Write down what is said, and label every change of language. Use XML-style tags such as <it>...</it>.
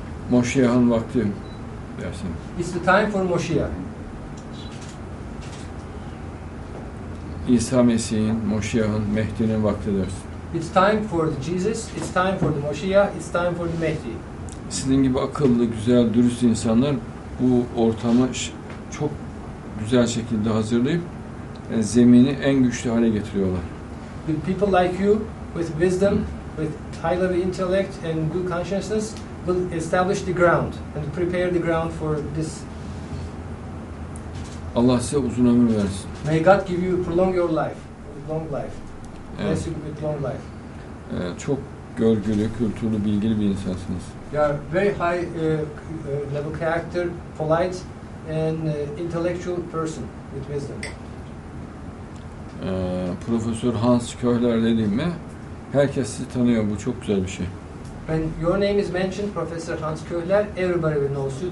<tr>Moşiyah'ın vakti dersin.</tr> <en>It's the time for Moşiyah.</en> <tr>İsa Mesih'in, Moşiyah'ın, Mehdi'nin vakti dersin.</tr> <en>It's time for the Jesus, it's time for the Moşiyah, it's time for the Mehdi.</en> <tr>Sizin gibi akıllı, güzel, dürüst insanlar bu ortamı çok güzel şekilde hazırlayıp yani zemini en güçlü hale getiriyorlar.</tr> <en>The people like you with wisdom, with high level intellect and good consciousness will establish the ground and prepare the ground for this.</en> <tr>Allah size uzun ömür versin.</tr> <en>May God give you prolong your life, long life.</en> <tr>Evet.</tr> <en>Bless you with long life.</en> <tr>Çok görgülü, kültürlü, bilgili bir insansınız.</tr> <en>You are very high level character, polite and intellectual person with wisdom.</en> <tr>Profesör Hans Köhler dediğim mi? Herkes sizi tanıyor, bu çok güzel bir şey.</tr> <en>When your name is mentioned, Professor Hans Köhler, everybody will know you.</en>